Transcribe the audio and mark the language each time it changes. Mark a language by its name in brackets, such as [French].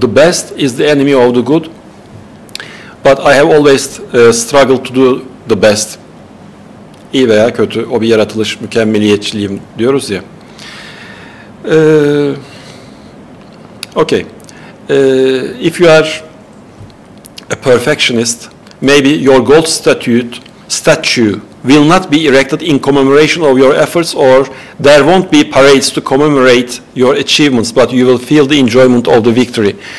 [English] The best is the enemy of the good. But I have always struggled to do the best. [Turkish] İyi veya kötü, o bir yaratılış, mükemmeliyetçiliğim diyoruz ya. [English] Okay. If you are a perfectionist, maybe your gold statue will not be erected in commemoration of your efforts, or there won't be parades to commemorate your achievements, but you will feel the enjoyment of the victory.